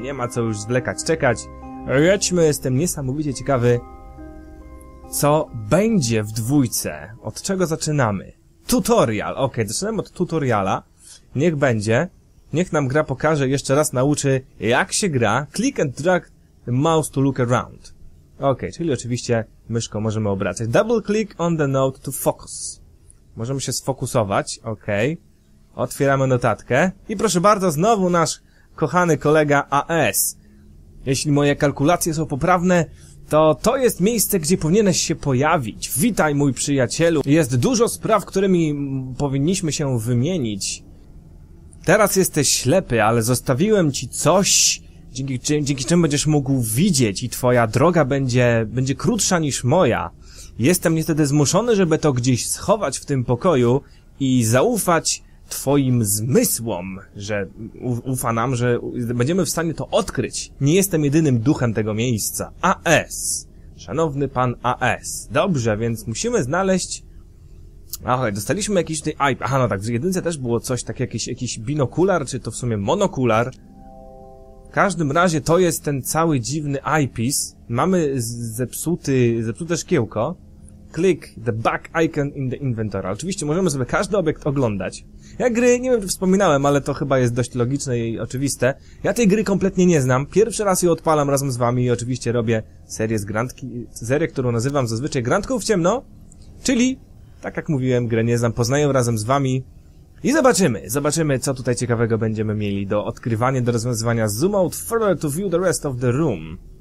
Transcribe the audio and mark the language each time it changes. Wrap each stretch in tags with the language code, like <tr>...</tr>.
<pl>Nie ma co już zwlekać, czekać. Jedźmy, jestem niesamowicie ciekawy, co będzie w dwójce. Od czego zaczynamy? Tutorial, okej, zaczynamy od tutoriala. Niech będzie. Niech nam gra pokaże, jeszcze raz nauczy, jak się gra.</pl> <en>Click and drag the mouse to look around.</en> <pl>Okej, czyli oczywiście myszką możemy obracać.</pl> <en>Double click on the note to focus.</en> <pl>Możemy się sfokusować, okej. Otwieramy notatkę. I proszę bardzo, znowu nasz kochany kolega AS. Jeśli moje kalkulacje są poprawne, to jest miejsce, gdzie powinieneś się pojawić. Witaj, mój przyjacielu. Jest dużo spraw, którymi powinniśmy się wymienić. Teraz jesteś ślepy, ale zostawiłem ci coś, dzięki czemu będziesz mógł widzieć i twoja droga będzie krótsza niż moja. Jestem niestety zmuszony, żeby to gdzieś schować w tym pokoju i zaufać twoim zmysłom, że ufa nam, że będziemy w stanie to odkryć. Nie jestem jedynym duchem tego miejsca. AS. Szanowny pan AS. Dobrze, więc musimy znaleźć... Aha, dostaliśmy jakiś tutaj... Aha, no tak, w jedynce też było coś, tak jakiś binokular, czy to w sumie monokular. W każdym razie to jest ten cały dziwny eyepiece. Mamy zepsute szkiełko.</pl> <en>Click the back icon in the inventory.</en> <pl>Oczywiście możemy sobie każdy obiekt oglądać. Ja gry, nie wiem, czy wspominałem, ale to chyba jest dość logiczne i oczywiste. Ja tej gry kompletnie nie znam. Pierwszy raz ją odpalam razem z wami i oczywiście robię serię z Grandki, serię, którą nazywam zazwyczaj Grandką w ciemno. Czyli, tak jak mówiłem, grę nie znam, poznaję razem z wami. I zobaczymy, co tutaj ciekawego będziemy mieli do odkrywania, do rozwiązywania.</pl> <en>Zoom out further to view the rest of the room.</en>